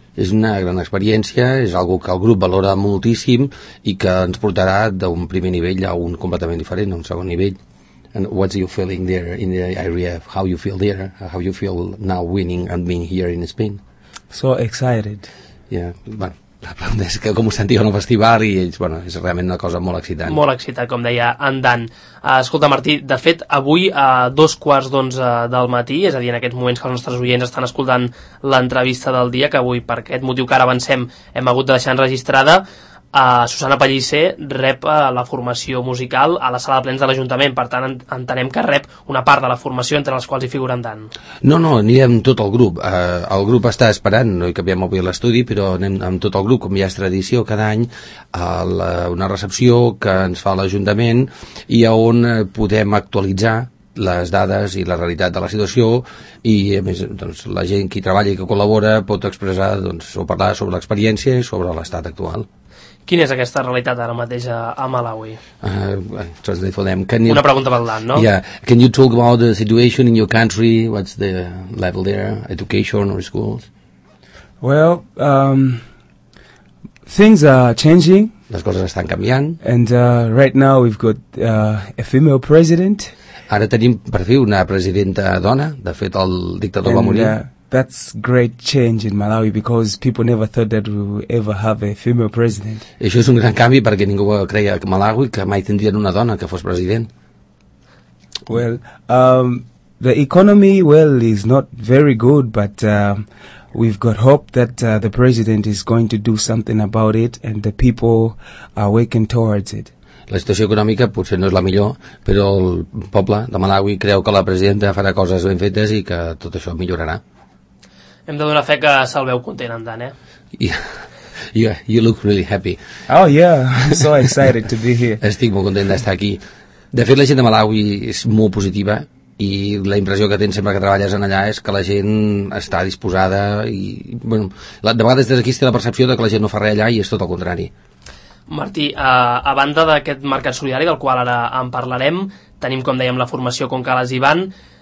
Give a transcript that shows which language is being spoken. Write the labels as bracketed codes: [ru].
[ca] És una gran experiència, és algo que el grup valora moltíssim i que ens portarà d'un primer nivell a un completament diferent, a un segon nivell. [en] And what's your feeling there in the IRF? How you feel there? How you feel now winning and being here in Spain? So excited. [ca] Yeah, bueno, la pregunta és que com ho sentiu en el festival, i ells, bueno, és realment una cosa molt excitant. Molt excitant, com deia en Dan. Escolta, Martí, de fet, avui a 11:45 del matí, és a dir, en aquests moments que els nostres oients estan escoltant l'entrevista del dia, que avui, per aquest motiu que ara avancem, hem hagut de deixar enregistrada, Susana Pellicer rep la formació musical a la sala de plens de l'Ajuntament. Per tant, entenem que rep una part de la formació, entre les quals hi figuren tant. No, anirem tot el grup. El grup està esperant, no hi cabíem avui a l'estudi, però anem amb tot el grup, com ja és tradició cada any, una recepció que ens fa l'Ajuntament, i a on podem actualitzar les dades i la realitat de la situació, i a més, doncs, la gent que hi treballa i que col·labora pot expressar, doncs, o parlar sobre l'experiència i sobre l'estat actual. Quina és aquesta realitat ara mateix a Malawi? [en] Translate for them. Can you, [ca] una pregunta per l'Anna, no? [en] Yeah. Can you talk about the situation in your country? What's the level there? Education or schools? Well, things are changing. [ca] Les coses estan canviant. [en] And right now we've got a female president. [ca] Ara tenim per fi una presidenta dona. De fet, el dictador va morir. [en] That's great change in Malawi because people never thought that we would ever have a female president. [ca] Això és un gran canvi perquè ningú creia que Malawi que mai tindrien una dona que fos president. [en] Well, the economy, well, is not very good, but we've got hope that the president is going to do something about it and the people are working towards it. [ca] La situació econòmica potser no és la millor, però el poble de Malawi creu que la presidenta farà coses ben fetes i que tot això millorarà. Hem de donar fe que se'l veu content, en Dan, eh? [en] Yeah. You look really happy. Oh, yeah, I'm so excited to be here. [ca] Estic molt content d'estar aquí. De fet, la gent de Malawi és molt positiva, i la impressió que tens sempre que treballes en allà és que la gent està disposada, i, bueno, de vegades des d'aquí es té la percepció de que la gent no fa res allà, i és tot el contrari. Martí, a banda d'aquest mercat solidari, del qual ara en parlarem, tenim, com dèiem, la formació Konkalazi Band.